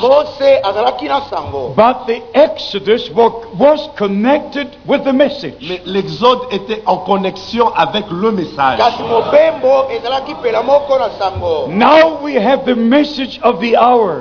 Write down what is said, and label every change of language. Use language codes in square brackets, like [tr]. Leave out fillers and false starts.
[en] But the Exodus was connected with the message. [fr] Mais l'Exode était en connexion avec le message. [en] Now we have the message of the hour.